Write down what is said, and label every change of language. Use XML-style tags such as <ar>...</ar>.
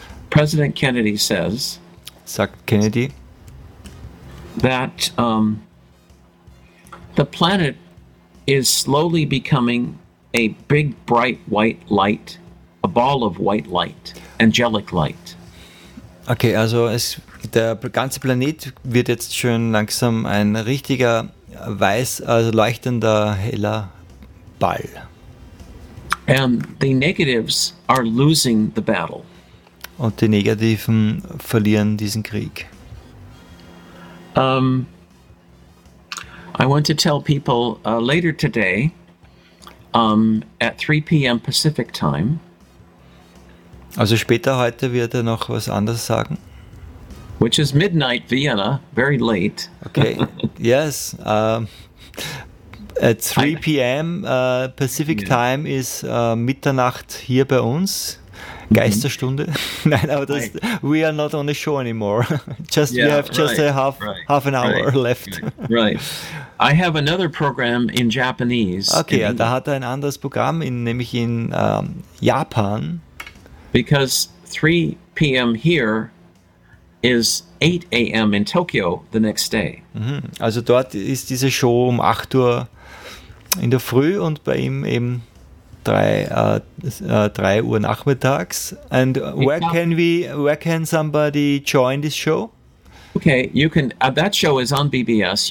<en>President Kennedy says,</en> <de>sagt Kennedy,</de> <en>that the planet is slowly becoming a big, bright, white light, a ball of white light, angelic light.</en> <de>Okay, also der ganze Planet wird jetzt schon langsam ein richtiger, weiß, also leuchtender, heller Ball.</de> <en>And the negatives are losing the battle.</en> <de>Und die Negativen verlieren diesen Krieg.</de> <en>I want to tell people later today at 3 p.m. Pacific time.</en> <de>Also später heute wird er noch was anderes sagen.</de> <en>Which is midnight Vienna, very late. Okay, yes. At 3 p.m. Pacific time is</en> <de>Mitternacht hier bei uns, Geisterstunde.</de> <en>Mm-hmm.</en> <de>Nein, aber das,</de> <en>we are not on the show anymore. We have just half an hour left. Right. I have another program in Japanese. Okay,</en> <de>da England. Hat er ein anderes Programm, nämlich in Japan.</de> <en>Because 3 p.m. here is 8 a.m. in Tokyo the next day.</en> <de>Also dort ist diese Show um 8 Uhr in der Früh und bei ihm eben 3 Uhr nachmittags.</de> <en>And where can somebody join this show? Okay, you can that show is on BBS.</en>